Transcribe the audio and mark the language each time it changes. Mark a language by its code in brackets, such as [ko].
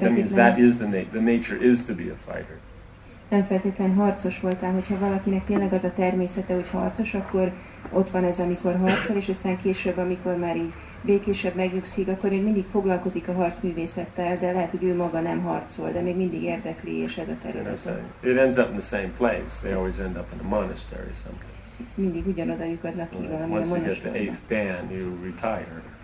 [en] That means that is the nature is to be a fighter. [hu] Nem feltétlenül harcos voltál, hogyha valakinek tényleg az a természete, hogy harcos, akkor ott van ez, amikor harcol, és aztán később, amikor már így békésebb megnyugszik, akkor én mindig foglalkozik a harcművészettel, de lehet, hogy ő maga nem harcol, de még mindig érdekli, és ez a terület. [en] You know, it ends up in the same place. They always end up in a monastery someplace. [hu] Mindig ugyanoda lyukadnak ki valami [en] once a monastery. Once you get the eighth dan, you retire.